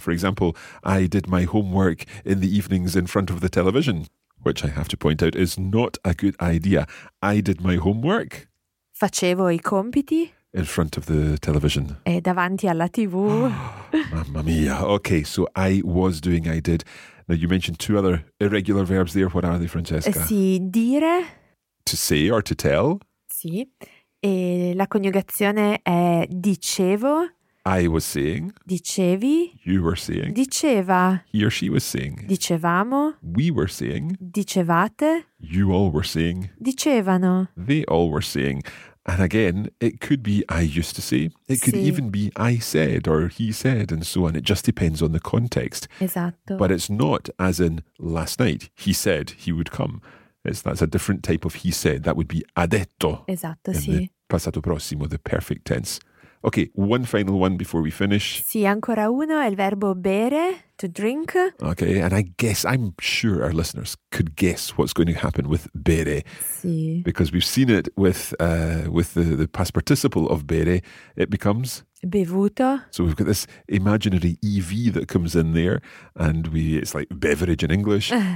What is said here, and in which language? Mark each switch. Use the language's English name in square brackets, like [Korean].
[English] For example, I did my homework in the evenings in front of the television, which I have to point out is not a good idea. I did my homework. [Italian] Facevo I compiti. [English] In front of the television. [Italian] E davanti alla TV. Mamma mia. [English] Okay, so I was doing, I did. Now, you mentioned two other irregular verbs there. What are they, Francesca? [Italian] Sì, dire. [English] To say or to tell. [Italian] Sì. E la coniugazione è dicevo. [English] I was saying. [Italian] Dicevi. [English] You were saying. [Italian] Diceva. [English] He or she was saying. [Italian] Dicevamo. [English] We were saying. [Italian] Dicevate. [English] You all were saying. [Italian] Dicevano. [English] They all were saying. And again, it could be I used to say. It could even be I said or he said and so on. It just depends on the context. [Italian] Esatto. [English] But it's not as in last night he said he would come. That's a different type of he said. That would be [Italian] ha detto. Esatto, [English] in the passato prossimo, the perfect tense. Okay, one final one before we finish. [Italian] Sì, ancora uno, il verbo bere, [English] to drink. Okay, and I guess, I'm sure our listeners could guess what's going to happen with bere. [Italian] Sì. [English] Because we've seen it with the past participle of bere, it becomes... [Italian] Bevuto. [English] So we've got this imaginary EV that comes in there, and it's like beverage in English.